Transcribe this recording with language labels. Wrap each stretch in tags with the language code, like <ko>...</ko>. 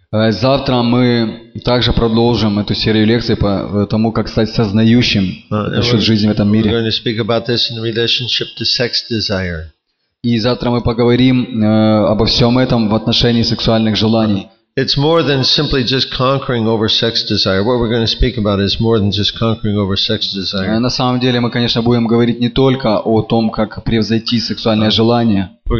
<ru>Завтра мы также продолжим эту серию лекций по тому, как стать сознающим насчет жизни в этом мире.</ru> <en>We're going to speak about this in relationship to sex desire.</en> <ru>И завтра мы поговорим обо всем этом в отношении сексуальных желаний.</ru> <en>It's more than simply just conquering over sex desire. What we're going to speak about is more than just conquering over sex desire.</en> <ru>На самом деле мы, конечно, будем говорить не только о том, как превзойти сексуальное желание.</ru>